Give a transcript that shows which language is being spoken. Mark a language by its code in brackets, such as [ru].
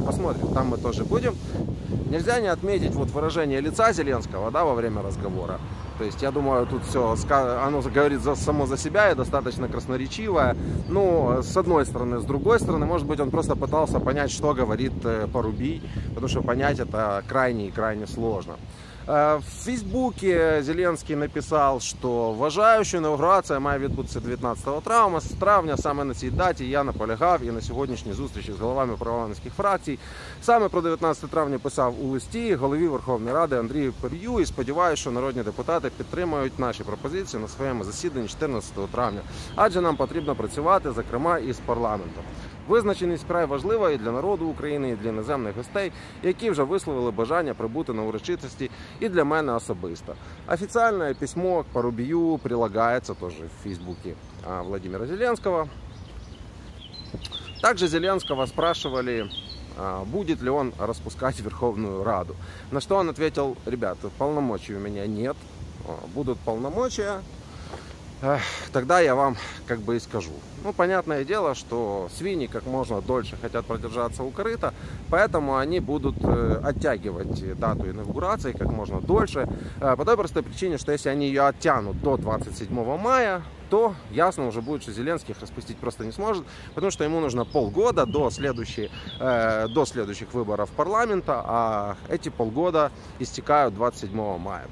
[ru] Посмотрим, там мы тоже будем. Нельзя не отметить вот выражение лица Зеленского, да, во время разговора. То есть, я думаю, тут все, оно говорит само за себя и достаточно красноречивое. Ну, с одной стороны, с другой стороны, может быть, он просто пытался понять, что говорит Порубий, потому что понять это крайне и крайне сложно. В Фейсбуке Зеленский написал, что [uk] «Вважающую инаугурацию має відбутися 19 травня, с травня саме на цій даті я наполягав і на сьогоднішній зустрічі з головами парламентських фракцій. Саме про 19 травня писав у листі голові Верховної Ради Андрію Пер'ю і сподіваюся, що народні депутати підтримають наші пропозиції на своєму засіданні 14 травня, адже нам потрібно працювати, зокрема, і з парламентом». Визначеність вкрай важлива і для народу України, і для іноземних гостей, які вже висловили бажання прибути на урочистості, і для мене особисто. Офіційне письмо к Порубію прилагається теж в Фейсбуці Володимира Зеленського. [ru] Також Зеленського спрашували, будет ли он распускать Верховную Раду. [uk] На що він відповів: «Ребята, повноважень у мене нет, будуть повноваження. [ru] Тогда я вам как бы и скажу». Ну, понятное дело, что свиньи как можно дольше хотят продержаться у корыта, поэтому они будут оттягивать дату инаугурации как можно дольше. По той простой причине, что если они ее оттянут до 27 мая, то ясно уже будет, что Зеленский их распустить просто не сможет, потому что ему нужно полгода до следующих выборов парламента, а эти полгода истекают 27 мая.